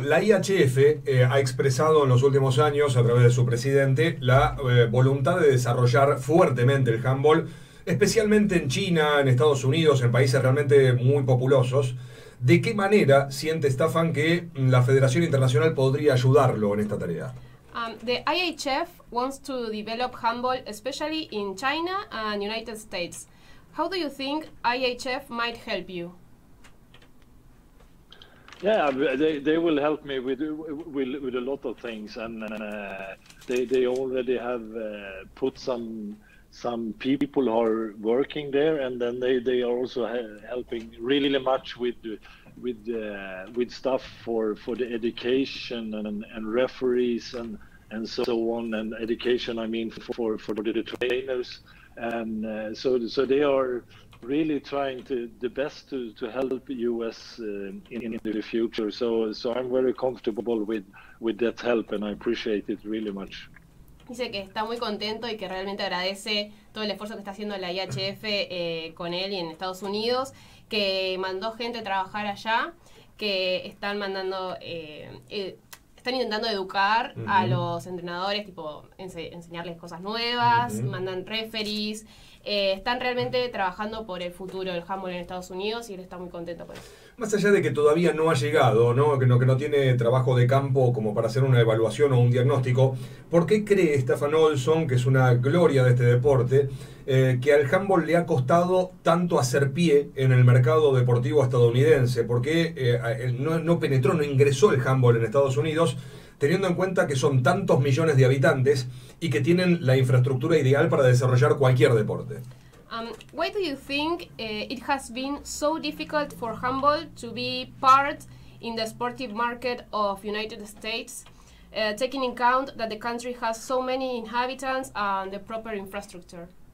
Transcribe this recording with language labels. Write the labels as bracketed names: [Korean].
[Spanish] La IHF ha expresado en los últimos años, a través de su presidente, la voluntad de desarrollar fuertemente el handball, especialmente en China, en Estados Unidos, en países realmente muy populosos. ¿De qué manera siente Stefan que la Federación Internacional podría ayudarlo en esta tarea? [English] The IHF wants to develop handball, especially in China and United States. How do you think IHF might help you? Yeah, they will help me with a lot of things, and they already have put some people who are working there, and then they are also helping really much with stuff for the education and referees and so on, and education I mean for the trainers. And so they are really trying the best to help US in the future. So I'm very comfortable with that help, and I appreciate it really much. [Spanish] Dice que está muy contento y que realmente agradece todo el esfuerzo que está haciendo la IHF con él y en Estados Unidos, que mandó gente a trabajar allá, que están mandando están intentando educar uh-huh. a los entrenadores, tipo enseñarles cosas nuevas, uh-huh. mandan referees, están realmente trabajando por el futuro del handball en Estados Unidos y él está muy contento por eso. Más allá de que todavía no ha llegado, ¿no? Que no tiene trabajo de campo como para hacer una evaluación o un diagnóstico, ¿por qué cree Stefan Olsson, que es una gloria de este deporte, que al handball le ha costado tanto hacer pie en el mercado deportivo estadounidense? ¿Por qué no ingresó el handball en Estados Unidos, teniendo en cuenta que son tantos millones de habitantes y que tienen la infraestructura ideal para desarrollar cualquier deporte? [English] Why do you think it has been so difficult for handball to be part in the sportive market of United States, taking into account that the country has so many inhabitants and the proper infrastructure?